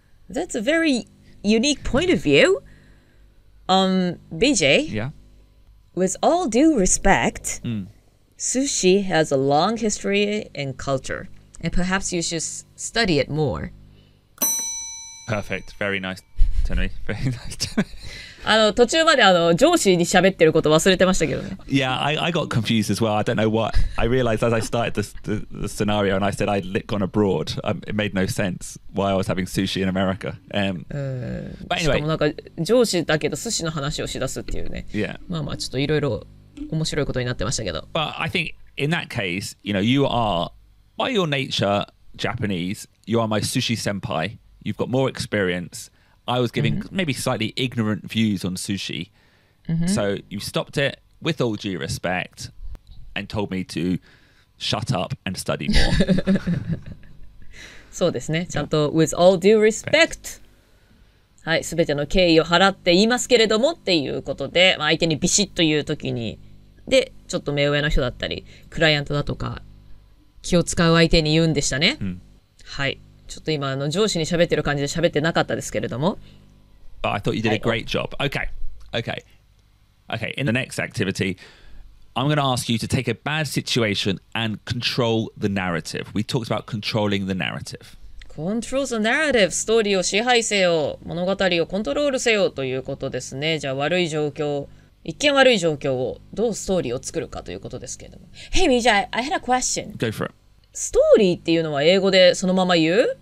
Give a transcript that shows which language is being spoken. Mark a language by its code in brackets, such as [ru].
[en] That's a very unique point of view. BJ, yeah. With all due respect,、mm. sushi has a long history and culture, and perhaps you should study it more. Perfect. Very nice, Tony. Very nice, Tony. [ja] 途中まで上司に喋ってること忘れてましたけどね。 [en] Yeah, I got confused as well. I don't know what. I realized as I started the scenario and I said I'd gone abroad. It made no sense why I was having sushi in America. But anyway. [ja] しかもなんか上司だけど寿司の話をしだすっていうね。 [en] Yeah. [ja] まあまあちょっといろいろ面白いことになってましたけど。 [en] But I think in that case, you know, you are, by your nature, Japanese, you are my sushi senpai. You've got more experience. I was giving、mm-hmm. maybe slightly ignorant views on sushi.、Mm-hmm. So you stopped it with all due respect and told me to shut up and study more. [ja] そうですね。ちゃんと、yeah. [en] with all due respect. [ja] はい。すべての敬意を払って言いますけれどもっていうことで、まあ、相手にビシッと言うときに、で、ちょっと目上の人だったり、クライアントだとか、気を使う相手に言うんでしたね。 Mm. はい。ちょっと今上司に喋ってる感じで喋ってなかったですけれども。 [en] But I thought you did a great job. Okay. Okay. Okay. In the next activity, I'm going to ask you to take a bad situation and control the narrative. We talked about controlling the narrative. Control the narrative. [ja] ストーリーを支配せよ。物語をコントロールせよということですね。じゃあ悪い状況、一見悪い状況をどうストーリーを作るかということですけれども。 [en] Hey, BJ, I had a question. Go for it. [ja] ストーリーっていうのは英語でそのまま言う?